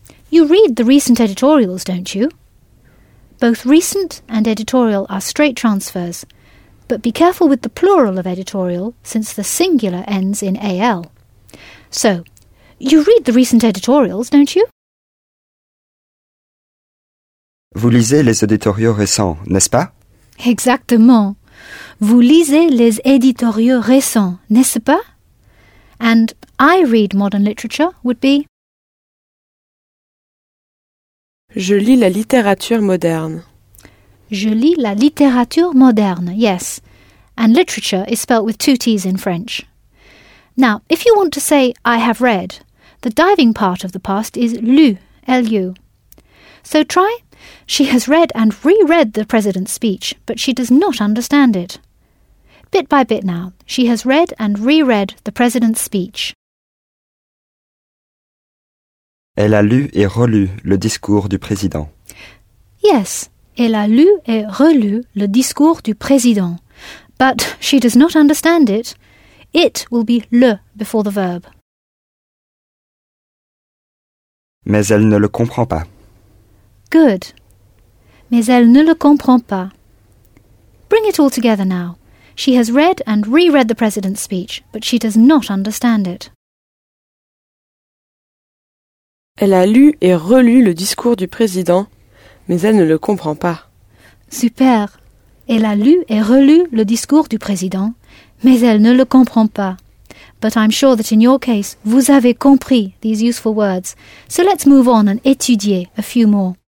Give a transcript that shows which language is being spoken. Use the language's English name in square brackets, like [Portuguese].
[English] You read the recent editorials, don't you? Both recent and editorial are straight transfers, but be careful with the plural of editorial, since the singular ends in al. So, you read the recent editorials, don't you? [French] Vous lisez les éditoriaux récents, n'est-ce pas? Exactement. Vous lisez les éditoriaux récents, n'est-ce pas? [English] And I read modern literature would be... [French] Je lis la littérature moderne. Je lis la littérature moderne, yes. [English] And literature is spelt with two T's in French. Now, if you want to say I have read, the diving part of the past is lu, L-U. So try... She has read and reread the president's speech, but she does not understand it. Bit by bit now, she has read and reread the president's speech. [French] Elle a lu et relu le discours du président. Yes, elle a lu et relu le discours du président, [English] but she does not understand it. It will be le before the verb. [French] Mais elle ne le comprend pas. [English] Good. [French] Mais elle ne le comprend pas. [English] Bring it all together now. She has read and reread the president's speech, but she does not understand it. [French] Elle a lu et relu le discours du président, mais elle ne le comprend pas. [English] Super. [French] Elle a lu et relu le discours du président, mais elle ne le comprend pas. [English] But I'm sure that in your case, [French] vous avez compris [English] these useful words. So let's move on and étudier a few more.